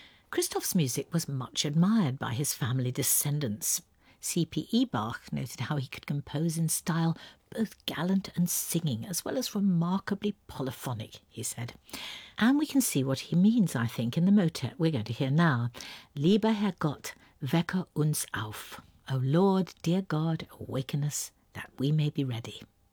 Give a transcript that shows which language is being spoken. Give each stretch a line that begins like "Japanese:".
English: Christoph's music was much admired by his family descendants. C.P.E. Bach noted how he could compose in style both gallant and singing, as well as remarkably polyphonic, he said. And we can see what he means, I think, in the motet we're going to hear now.
German: Lieber Herr Gott, wecke uns auf.
English: O Lord, dear God, awaken us, that we may be ready.